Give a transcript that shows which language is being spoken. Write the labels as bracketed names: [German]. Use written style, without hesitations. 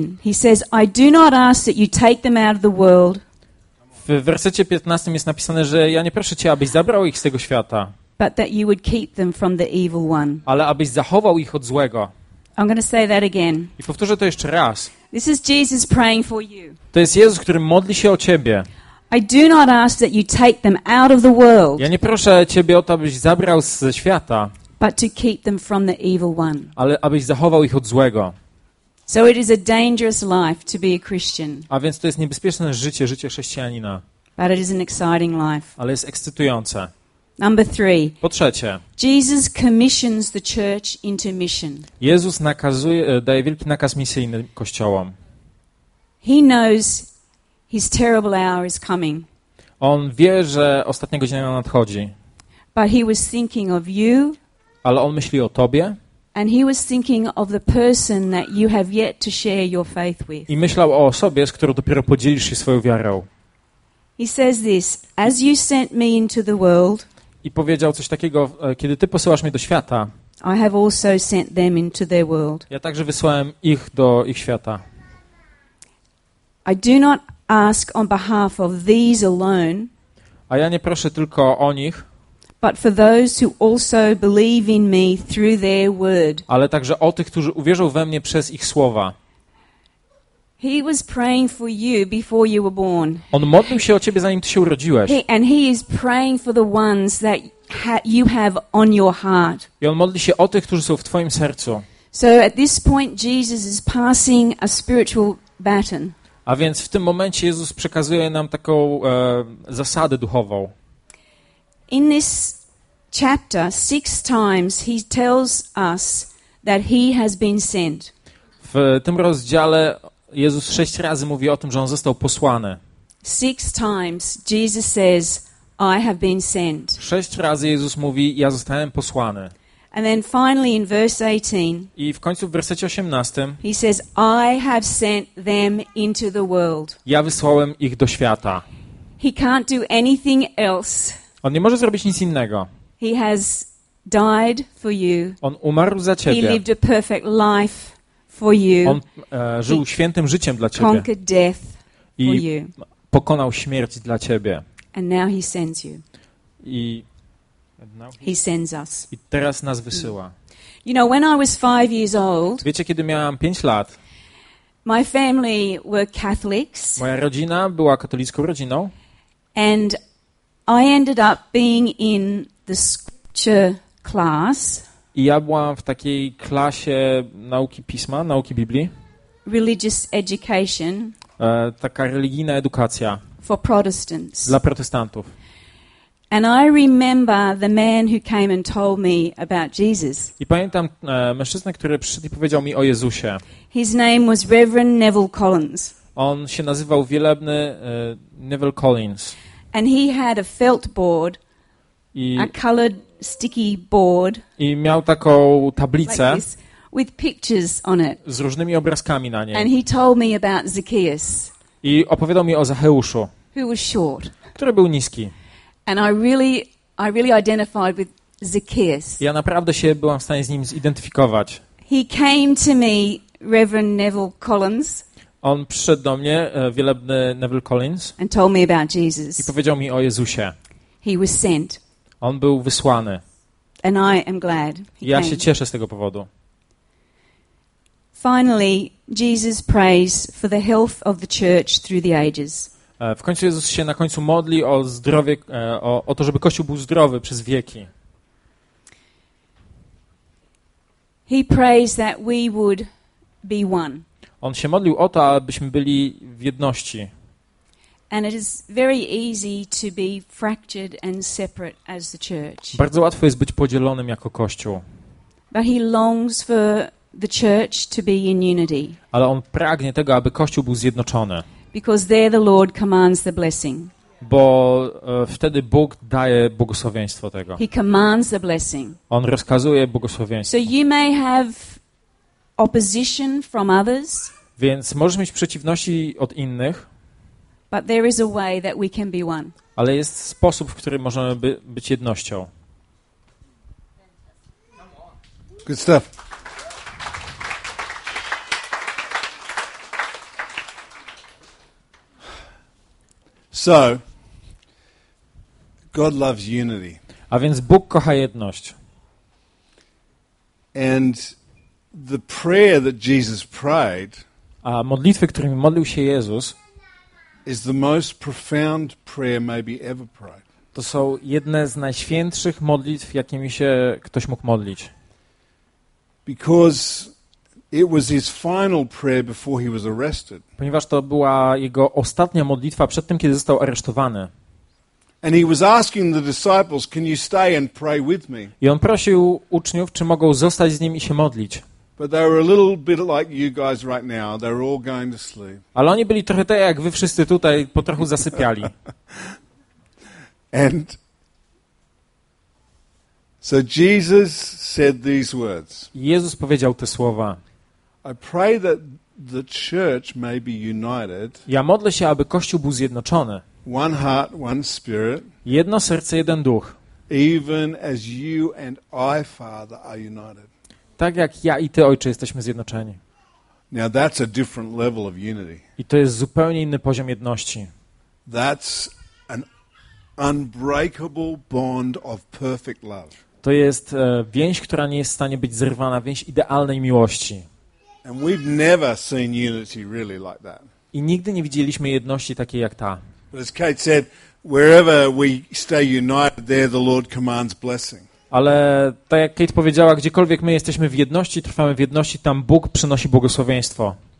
[English] He says, I do not ask that you take them out of the world. [Polish] W wersecie 15 jest napisane, że ja nie proszę cię, abyś zabrał ich z tego świata. [English] But that you would keep them from the evil one. [Polish] Ale abyś zachował ich od złego. [English] I'm going to say that again. [Polish] I powtórzę to jeszcze raz. [English] This is Jesus praying for you. [Polish] To jest Jezus, który modli się o ciebie. [English] I do not ask that you take them out of the world. [Polish] Ja nie proszę ciebie o to, abyś zabrał ze świata. [English] But to keep them from the evil one. [Polish] Ale abyś zachował ich od złego. [English] So it is a dangerous life to be a Christian. [Polish] A więc to jest niebezpieczne życie, życie chrześcijanina. [English] But it is an exciting life. [Polish] Ale jest ekscytujące. [English] Number three. [Polish] Po trzecie. [English] Jesus commissions the church into mission. [Polish] Jezus nakazuje, daje wielki nakaz misyjny kościołom. [English] He knows his terrible hour is coming. [Polish] On wie, że ostatnia godzina nadchodzi. [English] But he was thinking of you. [Polish] Ale on myśli o tobie. [English] And he was thinking of the person that you have yet to share your faith with. [Polish] I myślał o osobie, z którą dopiero podzielisz się swoją wiarą. [English] He says this, as you sent me into the world. [Polish] I powiedział coś takiego: kiedy ty posyłasz mnie do świata, [English] I have also sent them into their world. [Polish] Ja także wysłałem ich do ich świata. [English] I do not ask on behalf of these alone. [Polish] A ja nie proszę tylko o nich. [English] But for those who also believe in me through their word. [Polish] Ale także o tych, którzy uwierzą we mnie przez ich słowa. [English] He was praying for you before you were born. [Polish] On modlił się o ciebie, zanim ty się urodziłeś. [English] And he is praying for the ones that you have on your heart. [Polish] I on modli się o tych, którzy są w twoim sercu. [English] So at this point Jesus is passing a spiritual baton. [Polish] A więc w tym momencie Jezus przekazuje nam taką zasadę duchową. [English] In this chapter, six times he tells us that he has been sent. [Polish] W tym rozdziale Jezus sześć razy mówi o tym, że on został posłany. [English] Six times Jesus says, I have been sent. [Polish] Sześć razy Jezus mówi: ja zostałem posłany. [English] And then finally in verse 18. [Polish] I w końcu w wersecie 18. [English] He says, I have sent them into the world. [Polish] Ja wysłałem ich do świata. [English] He can't do anything else. [Polish] On nie może zrobić nic innego. [English] He has died for you. [Polish] On umarł za ciebie. [English] He lived a perfect life. For you. [Polish] On żył świętym życiem dla ciebie. [English] Conquered death [Polish] i pokonał śmierć dla ciebie. [English] And now he sends you. [Polish] I [English] He sends us. [Polish] I teraz nas wysyła. [English] You know, when I was 5 years old, [Polish] wiecie, kiedy miałam 5 lat, [English] my family were Catholics. [Polish] Moja rodzina była katolicką rodziną. [English] And I ended up being in the scripture class. [Polish] I ja byłam w takiej klasie nauki pisma, nauki Biblii. [English] Religious education. [Polish] Taka religijna edukacja. [English] For Protestants. [Polish] Dla protestantów. [English] And I remember the man who came and told me about Jesus. [Polish] I pamiętam mężczyznę, który przyszedł i powiedział mi o Jezusie. [English] His name was Reverend Neville Collins. [Polish] On się nazywał wielebny Neville Collins. [English] And he had a felt board, a colored sticky board. [Polish] I miał taką tablicę [English] with pictures on it. [Polish] Z różnymi obrazkami na niej. [English] And he told me about Zacchaeus. [Polish] I opowiadał mi o Zacheuszu. [English] Who was short. [Polish] Który był niski. [English] And I really identified with Zacchaeus. [Polish] Ja naprawdę się byłam w stanie z nim zidentyfikować. [English] He came to me, Reverend Neville Collins. [Polish] On przyszedł do mnie, wielebny Neville Collins. [English] And told me about Jesus. [Polish] I powiedział mi o Jezusie. [English] He was sent. [Polish] On był wysłany. [English] And I am glad he [Polish] ja [English] came. [Polish] Się cieszę z tego powodu. [English] Finally, Jesus prays for the health of the church through the ages. [Polish] W końcu Jezus się na końcu modli o zdrowie, o to, żeby Kościół był zdrowy przez wieki. [English] He prays that we would be one. [Polish] On się modlił o to, abyśmy byli w jedności. [English] And it is very easy to be fractured and separate as the church. [Polish] Bardzo łatwo jest być podzielonym jako Kościół. [English] But he longs for the church to be in unity. [Polish] Ale on pragnie tego, aby Kościół był zjednoczony. [English] Because there the Lord commands the blessing. [Polish] Bo wtedy Bóg daje błogosławieństwo tego. [English] He commands the blessing. [Polish] On rozkazuje błogosławieństwo. [English] So you may have opposition from others. [Polish] Więc możesz mieć przeciwności od innych. [English] But there is a way that we can be one. [Polish] Ale jest sposób, w którym możemy być jednością. [English] Good stuff. So, God loves unity. [Polish] A więc Bóg kocha jedność. [English] And the prayer that Jesus prayed, [Polish] a modlitwy, którymi modlił się Jezus, [English] is the most profound prayer maybe ever prayed. [Polish] To są jedne z najświętszych modlitw, jakimi się ktoś mógł modlić. [English] Because it was his final prayer before he was arrested. [Polish] Ponieważ to była jego ostatnia modlitwa przed tym, kiedy został aresztowany. [English] And he was asking the disciples, can you stay and pray with me? [Polish] I on prosił uczniów, czy mogą zostać z nim i się modlić. [English] But they were a little bit like you guys right now. They're all going to sleep. [Polish] Ale oni byli trochę tak jak wy wszyscy tutaj, po trochu zasypiali. [English] And so Jesus said these words. [Polish] Jezus powiedział te słowa. [English] I pray that the church may be united. [Polish] Ja modlę się, aby Kościół był zjednoczony. [English] One heart, one spirit. [Polish] Jedno serce, jeden duch. [English] Even as you and I, Father, are united. [Polish] Tak jak ja i ty, Ojcze, jesteśmy zjednoczeni. [English] Now that's a different level of unity. [Polish] I to jest zupełnie inny poziom jedności. [English] That's an unbreakable bond of perfect love. [Polish] To jest więź, która nie jest w stanie być zerwana, więź idealnej miłości. [English] And we've never seen unity really like that. [Polish] I nigdy nie widzieliśmy jedności takiej jak ta. [English] But as Kate said, wherever we stay united, there the Lord commands blessing. [Polish] Ale tak jak Kate powiedziała, gdziekolwiek my jesteśmy w jedności, trwamy w jedności, tam Bóg przynosi błogosławieństwo.